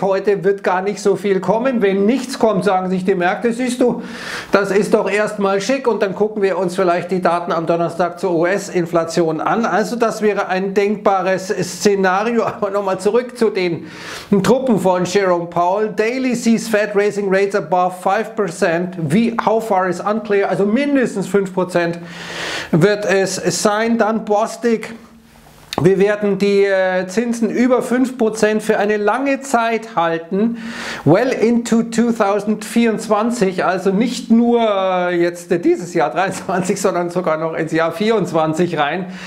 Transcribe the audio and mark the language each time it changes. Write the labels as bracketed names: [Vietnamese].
[German] Heute wird gar nicht so viel kommen. Wenn nichts kommt, sagen sich die Märkte, siehst du, das ist doch erstmal schick, und dann gucken wir uns vielleicht die Daten am Donnerstag zur US-Inflation an. Also das wäre ein denkbares Szenario. Aber nochmal zurück zu den Truppen von Jerome Powell. [English] Daly sees Fed raising rates above 5%. Wie, how far is unclear. [German] Also mindestens 5% wird es sein. Dann Bostic. Wir werden die Zinsen über 5% für eine lange Zeit halten, [English] well into 2024, [German] also nicht nur jetzt dieses Jahr 23, sondern sogar noch ins Jahr 24 rein.